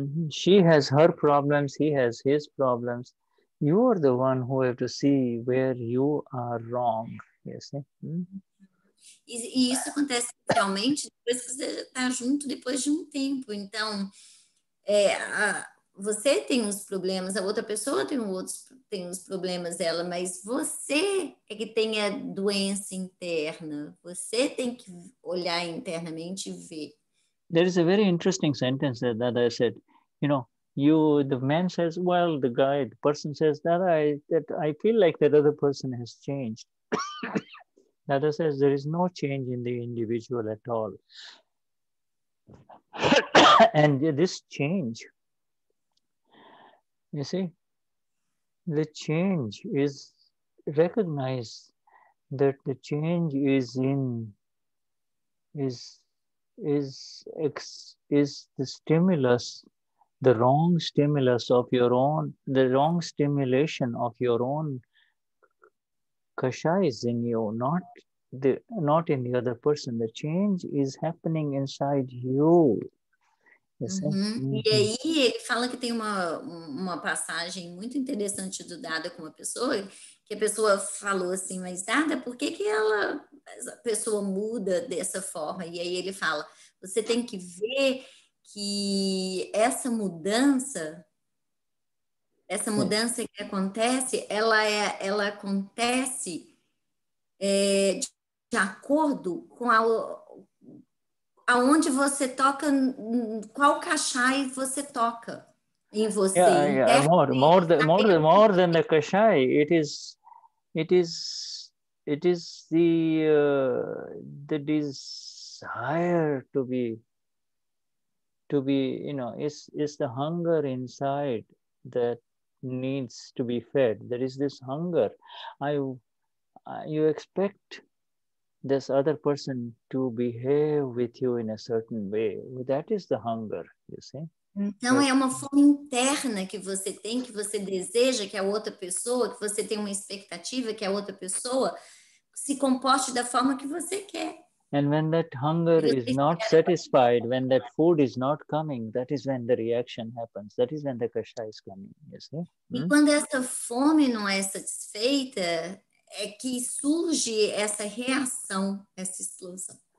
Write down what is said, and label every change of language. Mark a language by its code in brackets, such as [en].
[en] She has her problems, he has his problems. You are the one who have to see where you are wrong, you see. Mm-hmm. [pt] E isso acontece realmente depois que você está junto, depois de um tempo. Então, você tem os problemas, a outra pessoa tem os problemas dela, mas você é que tem a doença interna. Você tem que olhar internamente e ver. [en] There is a very interesting sentence that I said. You know, you, the man says, well, the guy, the person says that I feel like that other person has changed. The other says there is no change in the individual at all. And this change, you see, the change is recognized, that the change is in, is the stimulus, the wrong stimulus of your own, the wrong stimulation of your own kasha is in you, not in the other person. The change is happening inside you. [pt] Uhum. E aí ele fala que tem uma passagem muito interessante do Dada com uma pessoa, que a pessoa falou assim, mas Dada, por que que ela, a pessoa muda dessa forma? E aí ele fala, você tem que ver que essa mudança que acontece, ela acontece de acordo com aonde você toca, qual kashai você toca em você. [en] More than the kashai, it is the desire to be, you know, it's the hunger inside that needs to be fed. There is this hunger. You expect this other person to behave with you in a certain way. That is the hunger, you see? [pt] Então, é uma fome interna que você tem, que você deseja que a outra pessoa, que você tem uma expectativa que a outra pessoa se comporte da forma que você quer. [en] And when that hunger is not satisfied, when that food is not coming, that is when the reaction happens. That is when the kasha is coming, you see? [pt] E quando essa fome não é satisfeita, é que surge essa reação, essa explosão.